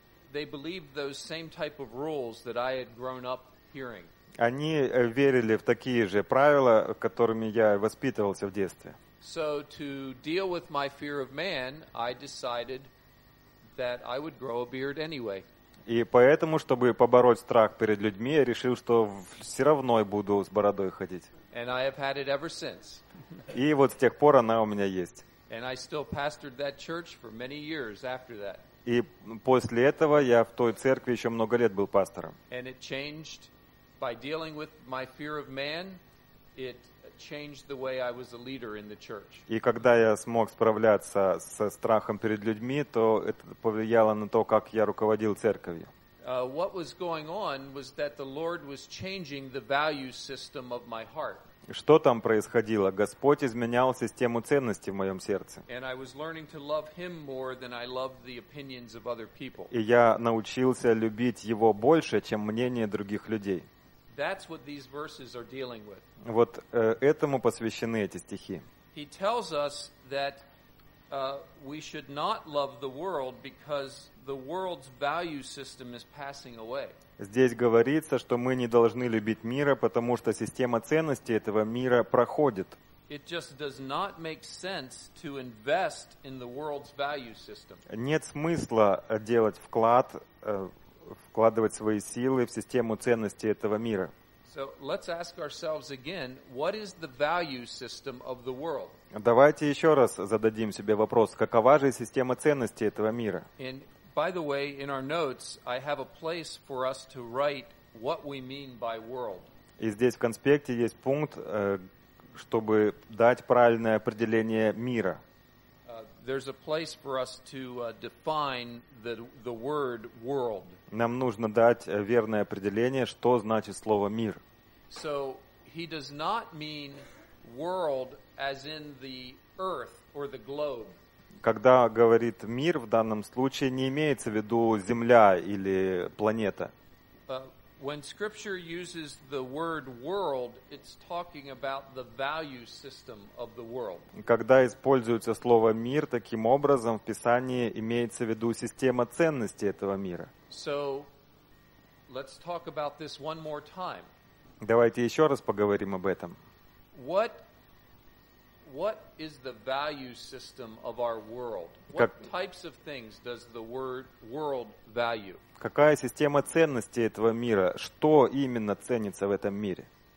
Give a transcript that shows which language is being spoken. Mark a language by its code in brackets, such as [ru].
[en] They believed those same type of rules that I had grown up hearing. [ru] Они верили в такие же правила, которыми я воспитывался в детстве. [en] So to deal with my fear of man, I decided that I would grow a beard anyway. [ru] И поэтому, чтобы побороть страх перед людьми, я решил, что все равно буду с бородой ходить. [en] And I have had it ever since. [ru] И вот с тех пор она у меня есть. [en] And I still pastored that church for many years after that. [ru] И после этого я в той церкви еще много лет был пастором. [en] And it changed by dealing with my fear of man, it changed the way I was a leader in the church. [ru] И когда я смог справляться со страхом перед людьми, то это повлияло на то, как я руководил церковью. [en] What was going on was that the Lord was changing the value system of my heart. [ru] Что там происходило? Господь изменял систему ценностей в моем сердце. [en] And I was learning to love him more than I loved the opinions of other people. [ru] И я научился любить его больше, чем мнение других людей. [en] That's what these verses are dealing with. [ru] Вот этому посвящены эти стихи. [en] He tells us that we should not love the world because the world's value system is passing away. [ru] Здесь говорится, что мы не должны любить мира, потому что система ценностей этого мира проходит. [en] It just does not make sense to invest in the world's value system. [ru] Нет смысла делать вклад, вкладывать свои силы в систему ценностей этого мира. [en] So let's ask ourselves again, what is the value system of the world? [ru] Давайте еще раз зададим себе вопрос, какова же система ценностей этого мира? [en] And by the way, in our notes, I have a place for us to write what we mean by world. [ru] И здесь в конспекте есть пункт, чтобы дать правильное определение мира. [en] There's a place for us to define the word world. [ru] Нам нужно дать верное определение, что значит слово мир. [en] So he does not mean world as in the earth or the globe. [ru] Когда говорит мир, в данном случае не имеется в виду земля или планета. [en] When scripture uses the word world, it's talking about the value system of the world. [ru] Когда используется слово мир таким образом, в Писании имеется в виду система ценностей этого мира. [en] So, let's talk about this one more time. [ru] Давайте еще раз поговорим об этом. [en] What is the value system of our world? What types of things does the word world value? [ru] Какая система ценностей этого мира? Что именно ценится в этом мире?